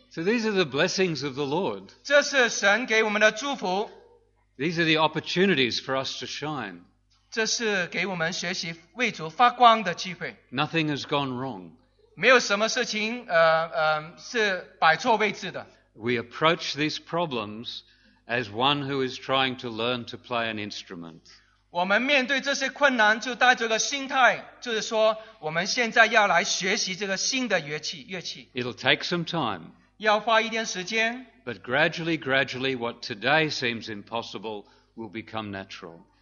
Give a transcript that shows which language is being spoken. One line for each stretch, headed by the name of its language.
English: So these are the blessings of the Lord.
Chinese: 这是神给我们的祝福。
English: These are the opportunities for us to shine.
Chinese: 这是给我们学习为主发光的机会。
English: Nothing has gone wrong.
Chinese: 没有什么事情是摆错位置的。
English: We approach these problems as one who is trying to learn to play an instrument.
Chinese: 我们面对这些困难就带着个心态，就是说我们现在要来学习这个新的乐器。
English: It'll take some time.
Chinese: 要花一点时间,
English: but gradually, what today seems impossible will become natural.